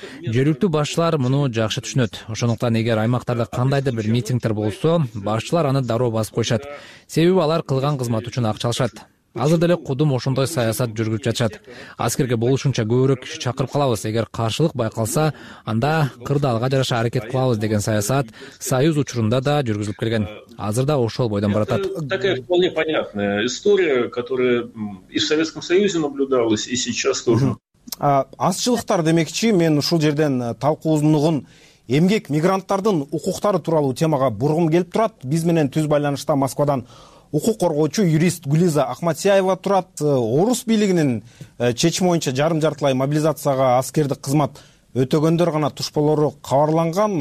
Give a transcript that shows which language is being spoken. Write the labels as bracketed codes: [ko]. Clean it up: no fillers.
[ky] Жергиликтүү башчылар муну жакшы түшүнөт. Ошондуктан эгер аймактарда кандайдыр бир митингдер болсо, башчылар аны дароо басып коюшат. Себеби алар кылган кызмат үчүн акча алышат. Азыр деле кудум ошондой саясат жүргүзүп жатышат. Аскерге болушунча көбүрөөк киши чакырып калабыз. Эгер каршылык байкалса, анда кырдаалга жараша аракет кылабыз деген саясат союз учурунда да жүргүзүлүп келген. Азыр да ошол бойдон баратат. [ru] Такая вполне понятная история, которая и в Советском Союзе наблюдалась, и сейчас тоже. [ky] Азчылыктар демекчи, мен ушул жерден талкуу узундугун эмгек мигранттардын укуктары тууралуу темага бургум келип турат. Биз менен түз байланышта Москвадан укук коргоочу юрист Гулиза Ахматсияева турат. Орус бийлигинин чечими боюнча жарым жартылай мобилизацияга аскердик кызмат өтөгөндөр гана туш болору кабарланган.